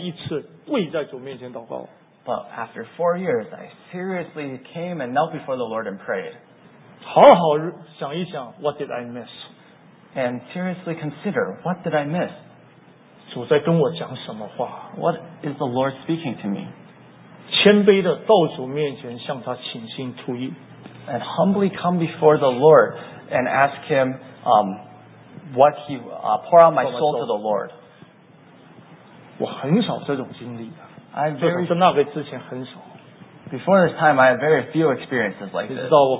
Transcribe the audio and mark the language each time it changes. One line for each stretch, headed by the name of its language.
Chinese: 但只有过了四年，我终于非常认真来一次跪在主面前祷告。
English: But after 4 years, I seriously came and knelt before the Lord and prayed.
Chinese: 好好想一想,
English: what did I miss? And seriously consider, what did I miss?
Chinese: 主在跟我讲什么话?
English: What is the Lord speaking to me?
Chinese: 谦卑地到主面前向他倾心吐意。
English: And humbly come before the Lord and ask Him, pour out my soul to the Lord.
Chinese: 我很少这种经历的，就是在那个之前很少。
English: Before this time, I had very few experiences like this.